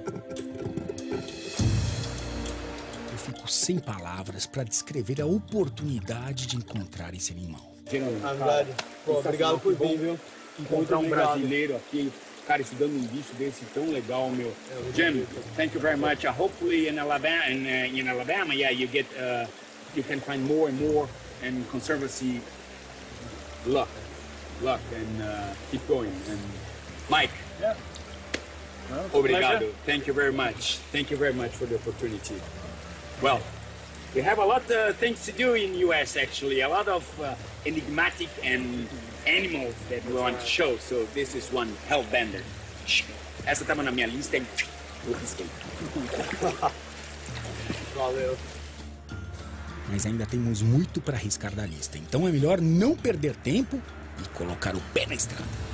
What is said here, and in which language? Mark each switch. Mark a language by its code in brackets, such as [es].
[pt] Eu fico sem palavras para descrever a oportunidade de encontrar esse animal. Obrigado por vir, viu? Encontrar um brasileiro aqui. Cara, estudando um bicho desse tão legal, meu. [en] Jim, thank you very much. Hopefully in Alabama, yeah, you can find more and more and conservancy luck and keep going. And Mike. Yeah. Well, obrigado. Pleasure. Thank you very much. Thank you very much for the opportunity. Well, we have a lot of things to do in the US, actually. A lot of enigmatic and animals that we want to show. So this is one hellbender. [pt] Essa tava na minha lista e vou riscar. Valeu. Mas ainda temos muito para arriscar da lista. Então é melhor não perder tempo e colocar o pé na estrada.